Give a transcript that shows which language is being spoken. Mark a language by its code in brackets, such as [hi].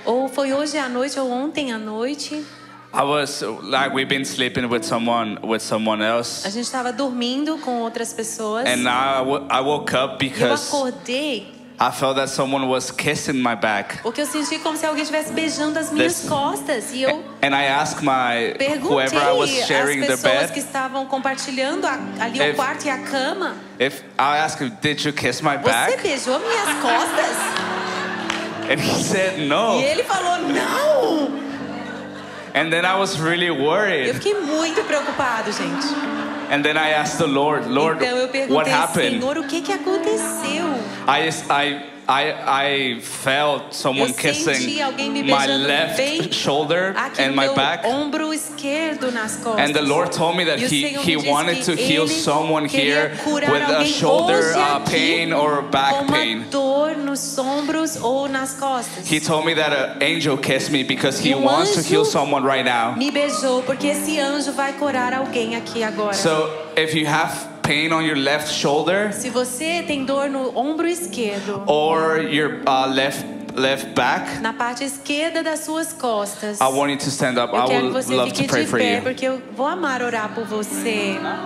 [pt] Ou foi hoje à noite ou ontem à noite. [en] I was like we've been sleeping with someone else. [pt] A gente estava dormindo com outras pessoas. [en] And now I woke up because [pt] eu acordei. [en] I felt that someone was kissing my back. [pt] Porque eu senti como se alguém estivesse beijando as minhas costas e eu. [en] And I asked my whoever I was sharing the bed. [pt] As pessoas que estavam compartilhando ali o quarto e a cama. [en] If I asked him, did you kiss my back? [pt] Você beijou minhas costas? [en] And he said no. [pt] E ele falou não. [en] And then I was really worried. [pt] Eu fiquei muito preocupado, gente. [en] And then I asked the Lord, [pt] então, eu perguntei, [en] what happened? [pt] Senhor, o que que aconteceu? [en] I felt someone [pt] eu [en] kissing [pt] senti alguém me beijando [en] my left [pt] bem [en] shoulder [pt] aqui [en] and my [pt] meu [en] back. [pt] Ombro esquerdo nas costas. [en] And the Lord told me that he wanted to heal someone here [pt] curar [en] with a shoulder pain or back pain. [pt] Dor nos ombros ou nas costas. [en] He told me that an angel kissed me because he wants to heal someone right now. [pt] Me beijou porque esse anjo vai curar alguém aqui agora. [en] So if you have pain on your left shoulder. [pt] Se você tem dor no ombro esquerdo. [en] Or your left back. [pt] Na parte esquerda das suas costas. [en] I want you to stand up. [pt] Eu [en] I would love to pray for you. [pt] Porque eu vou amar orar por você.